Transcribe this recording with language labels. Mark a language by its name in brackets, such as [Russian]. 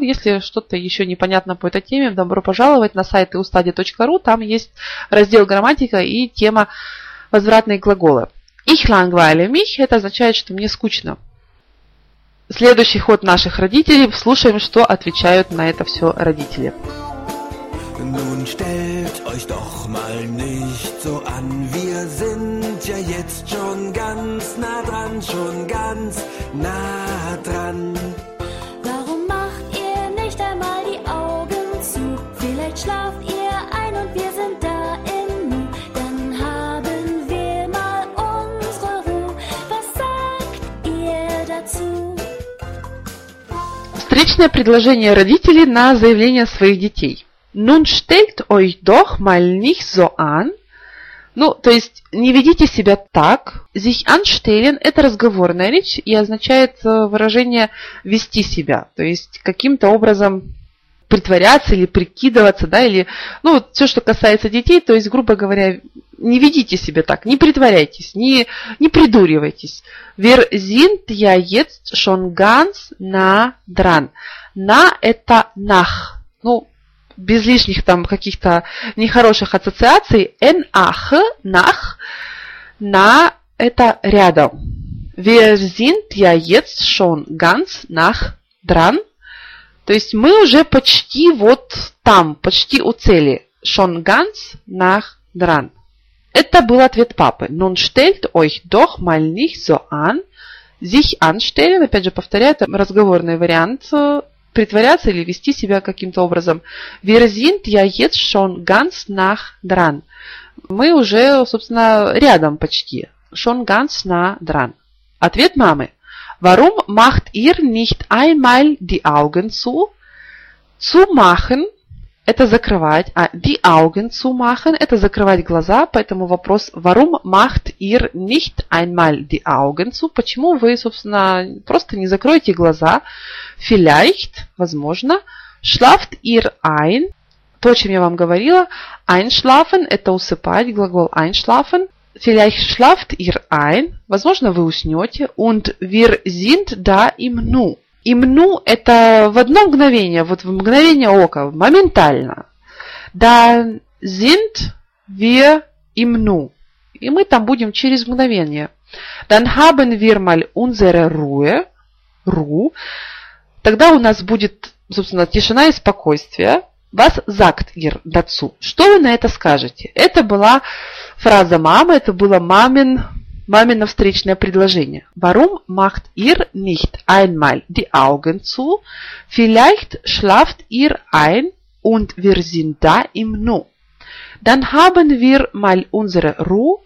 [Russian] Если что-то еще непонятно по этой теме, добро пожаловать на сайт eustudy.ru. Там есть раздел грамматика и тема возвратные глаголы. [German] Ich langweile mich. [Russian] Это означает, что мне скучно. Следующий ход наших родителей. Слушаем, что отвечают на это все родители. [German] Nun stellt euch doch mal nicht so an, wir sind ja jetzt schon ganz nah dran. Warum macht ihr nicht einmal die Augen zu? Vielleicht schlaft ihr ein und wir sind da im Nu. Dann haben wir mal unsere Ruhe. Was sagt ihr dazu? [Russian] Встречное предложение родителей на заявление своих детей. [German] Nun stellt euch doch mal nicht so an. [Russian] Ну, то есть, не ведите себя так. Sich anstellen – это разговорная речь и означает выражение «вести себя». То есть, каким-то образом притворяться или прикидываться, да, или, ну, вот все, что касается детей, то есть, грубо говоря, не ведите себя так, не притворяйтесь, не придуривайтесь. [German] Wir sind ja jetzt schon ganz nah dran. [Russian] На – это nach. Ну, без лишних там каких-то нехороших ассоциаций. Nach, nach, на – это рядом. [German] Wir sind ja jetzt schon ganz nah dran. [Russian] То есть мы уже почти вот там, почти у цели. [German] Schon ganz nah dran. [Russian] Это был ответ папы. [German] Nun stellt euch doch mal nicht so an. [Russian] Sich anstellen, опять же повторяю, это разговорный вариант притворяться или вести себя каким-то образом. [German] Wir sind ja jetzt schon ganz nah dran. [Russian] Мы уже, собственно, рядом почти. [German] Schon ganz nah dran. [Russian] Ответ мамы. [German] Warum macht ihr nicht einmal die Augen zu? [Russian] Zu machen – это закрывать. А die Augen zu machen – это закрывать глаза. Поэтому вопрос, [German] warum macht ihr nicht einmal die Augen zu? [Russian] Почему вы, собственно, просто не закроете глаза? Vielleicht – возможно. [German] Schlaft ihr ein [Russian] – то, о чем я вам говорила. Einschlafen – это усыпать, глагол einschlafen. [German] Vielleicht schlaft ihr ein. [Russian] Возможно, вы уснете. [German] Und wir sind da im Nu. [Russian] Im Nu – это в одно мгновение, вот в мгновение ока, моментально. [German] Da sind wir im Nu. [Russian] И мы там будем через мгновение. [German] Dann haben wir mal unsere Ruhe. [Russian] Тогда у нас будет, собственно, тишина и спокойствие. [German] Was sagt ihr dazu? [Russian] Что вы на это скажете? Это была фраза мамы, это было мамино встречное предложение. [German] Warum macht ihr nicht einmal die Augen zu? Vielleicht schlaft ihr ein und wir sind da im Nu. Dann haben wir mal unsere Ruhe.